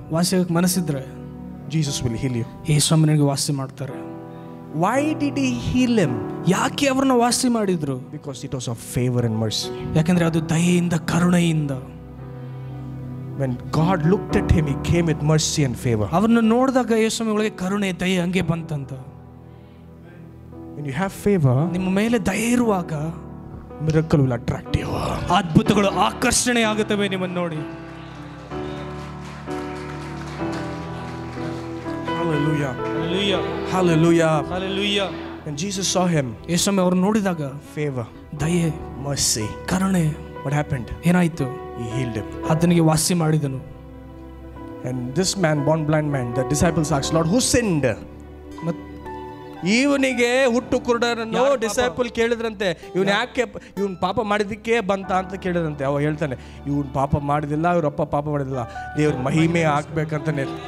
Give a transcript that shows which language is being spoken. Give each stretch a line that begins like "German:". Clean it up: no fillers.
Kannada: ವಾಸ್ಯಕ ಮನಸ್ಸಿದ್ರೆ
English: Jesus will heal you.
Kannada: ಯೇಸು ನಿಮಗೆ ವಾಸ್ಯ ಮಾಡ್ತಾರೆ.
English: Why did he heal him?
Kannada: ಯಾಕೆ ಅವರನ್ನ ವಾಸಿ ಮಾಡಿದ್ರು?
English: Because it was of favor and mercy.
Kannada: ಯಾಕಂದ್ರೆ ಅದು ದಯೆಯಿಂದ ಕರುಣೆಯಿಂದ.
English: When God looked at him, he came with mercy and favor.
Kannada: ಅವನ್ನ ನೋಡಿದಾಗ ಯೇಸು ಒಳಗೆ ಕರುಣೆ ದಯೆ ಹಂಗೆ ಬಂತಂತ.
English: When you have favor,
Kannada: ನಿಮ್ಮ ಮೇಲೆ ದಯೆ ಇರುವಾಗ
English: miracle will attract you.
Kannada: ಅದ್ಭುತಗಳು ಆಕರ್ಷಣೆ ಆಗುತ್ತವೆ ನಿಮ್ಮನ್ನು ನೋಡಿ.
English: Hallelujah. Hallelujah. Hallelujah. Hallelujah. And Jesus saw him.
Kannada: ಯೇಸುವನ್ನು ಅವರು ನೋಡಿದಾಗ
English: favor,
Kannada: daye,
English: mercy,
Kannada: karune.
English: What happened?
Kannada: ಏನಾಯ್ತು?
English: He healed him.
Kannada: ಅದನಿಗೆ ವಾಸಿ ಮಾಡಿದನು.
English: And this man, born blind man, the disciples asked, Lord, who sinned?
Kannada: ಇವನಿಗೆ ಹುಟ್ಟು ಕುರುಡನನ್ನು ಡಿಸೈಪಲ್ ಕೇಳಿದ್ರಂತೆ, ಇವನು ಯಾಕೆ ಇವನ್ ಪಾಪ ಮಾಡಿದಕ್ಕೆ ಬಂತ ಅಂತ ಕೇಳಿದ್ರಂತೆ. ಅವ ಹೇಳ್ತಾನೆ, ಇವನ್ ಪಾಪ ಮಾಡಿದಿಲ್ಲ, ಇವರಪ್ಪ ಪಾಪ ಮಾಡಿದಿಲ್ಲ, ದೇವ್ರ ಮಹಿಮೆ ಹಾಕ್ಬೇಕಂತಾನೆ.